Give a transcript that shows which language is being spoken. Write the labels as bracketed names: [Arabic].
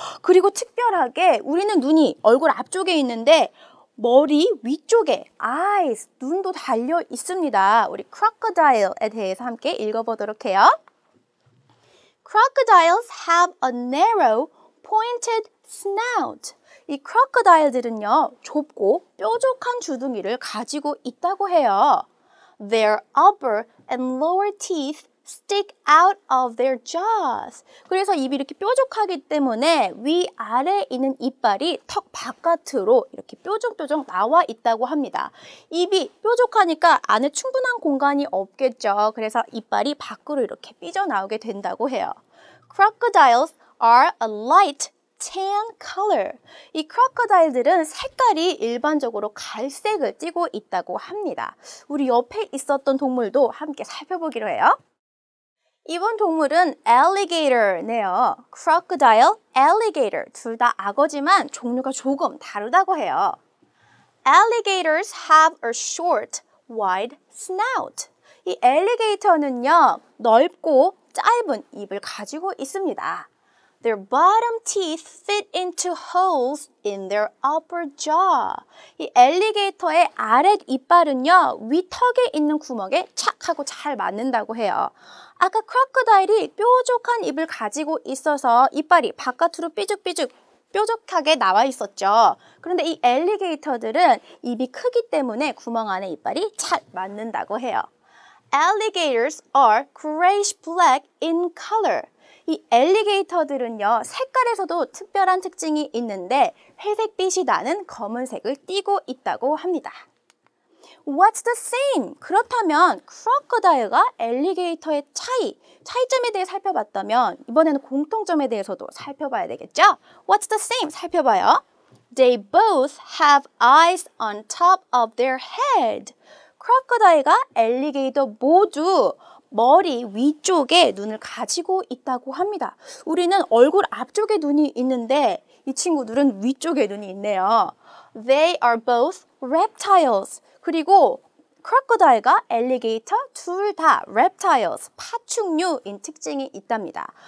[Korean] 그리고 특별하게 우리는 눈이 얼굴 앞쪽에 있는데 머리 위쪽에 eyes, 눈도 달려 있습니다. 우리 crocodile에 대해서 함께 읽어보도록 해요. [English] Crocodiles have a narrow, pointed snout. [Korean] 이 크로커다일들은요, 좁고 뾰족한 주둥이를 가지고 있다고 해요. [English] Their upper and lower teeth stick out of their jaws. [Korean] 그래서 입이 이렇게 뾰족하기 때문에 위아래 있는 이빨이 턱 바깥으로 이렇게 뾰족뾰족 나와 있다고 합니다. 입이 뾰족하니까 안에 충분한 공간이 없겠죠. 그래서 이빨이 밖으로 이렇게 삐져나오게 된다고 해요. [English] Crocodiles are a light tan color. [Korean] 이 크로커다일들은 색깔이 일반적으로 갈색을 띠고 있다고 합니다. 우리 옆에 있었던 동물도 함께 살펴보기로 해요. 이번 동물은 alligator네요. Crocodile, alligator. 둘 다 악어지만 종류가 조금 다르다고 해요. [English] Alligators have a short, wide snout. [Korean] 이 alligator는요, 넓고 짧은 입을 가지고 있습니다. [English] Their bottom teeth fit into holes in their upper jaw. [Korean] 이 엘리게이터의 아래 이빨은요, 위턱에 있는 구멍에 착 하고 잘 맞는다고 해요. 아까 크로커다일이 뾰족한 입을 가지고 있어서 이빨이 바깥으로 삐죽삐죽 뾰족하게 나와 있었죠. 그런데 이 엘리게이터들은 입이 크기 때문에 구멍 안에 이빨이 잘 맞는다고 해요. [English] Alligators are grayish black in color. [Korean] 이 엘리게이터들은요, 색깔에서도 특별한 특징이 있는데 회색빛이 나는 검은색을 띠고 있다고 합니다. [English] What's the same? [Korean] 그렇다면 크로커다일과 엘리게이터의 차이점에 대해 살펴봤다면 이번에는 공통점에 대해서도 살펴봐야 되겠죠? [English] What's the same? [Korean] 살펴봐요. [English] They both have eyes on top of their head. [Korean] 크로커다일과 엘리게이터 모두 머리 위쪽에 눈을 가지고 있다고 합니다. 우리는 얼굴 앞쪽에 눈이 있는데 이 친구들은 위쪽에 눈이 있네요. [English] They are both reptiles. [Korean] 그리고 크로커다일과 엘리게이터 둘 다 reptiles, 파충류인 특징이 있답니다.